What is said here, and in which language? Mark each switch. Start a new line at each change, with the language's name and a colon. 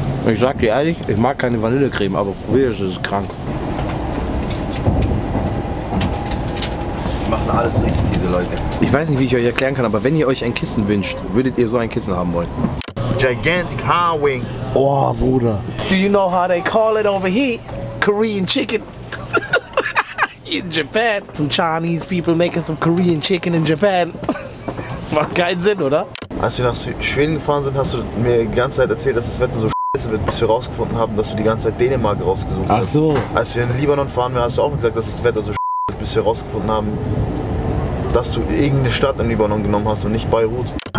German: Ich sag dir ehrlich, ich mag keine Vanillecreme, aber probier es, das ist krank. Die machen alles richtig, diese Leute. Ich weiß nicht, wie ich euch erklären kann, aber wenn ihr euch ein Kissen wünscht, würdet ihr so ein Kissen haben wollen.
English: Gigantic high wing.
German: Oh, Bruder.
English: Do you know how they call it over here? Korean chicken. In Japan. Some Chinese people making some Korean chicken in Japan.
German: Das macht keinen Sinn, oder? Als wir nach Schweden gefahren sind, hast du mir die ganze Zeit erzählt, dass das Wetter so wird, bis wir rausgefunden haben, dass du die ganze Zeit Dänemark rausgesucht hast. Ach so. Als wir in Libanon fahren, hast du auch gesagt, dass das Wetter so wird, bis wir rausgefunden haben, dass du irgendeine Stadt in Libanon genommen hast und nicht Beirut.